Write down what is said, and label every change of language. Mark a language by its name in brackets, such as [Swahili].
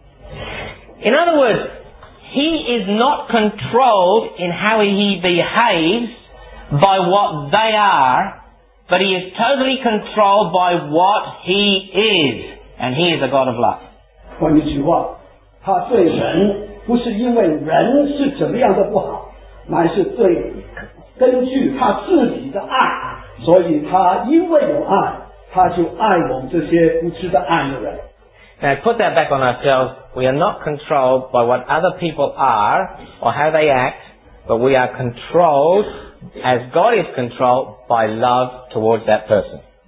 [English] In other words, He is not controlled in how He behaves by what they are, but He is totally controlled by what He is, and He is a God of love. [Chinese] 换一句话，他对人不是因为人是怎么样的不好，乃是对根据他自己的爱，所以他因为有爱，他就爱我们这些无知的爱的人。 [English] Now put that back on ourselves. We are not controlled by what other people are or how they act, but we are controlled, as God is controlled, by love towards that person.